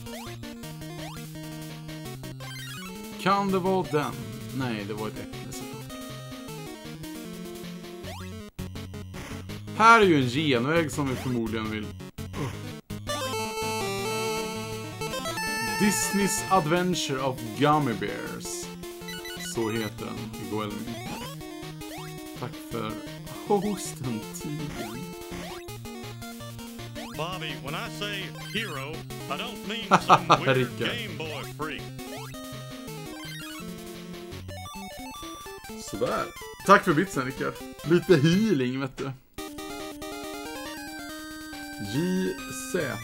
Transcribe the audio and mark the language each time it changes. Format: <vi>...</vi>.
<en>Thank you.</en> <sv>Kan det vara den? Nej, det var ett äpple. Här är ju en genväg som vi förmodligen vill...</sv> <en>Disney's Adventure of Gummy Bears.</en> <sv>Så heter den. Goel. Tack för hosten tidigare.</sv> <en>Bobby, when I say hero, I don't mean some weird Game Boy freak.</en> <sv>Sådär. Tack för bitsen, Rickard. Lite healing, vet du. JZWL.</sv>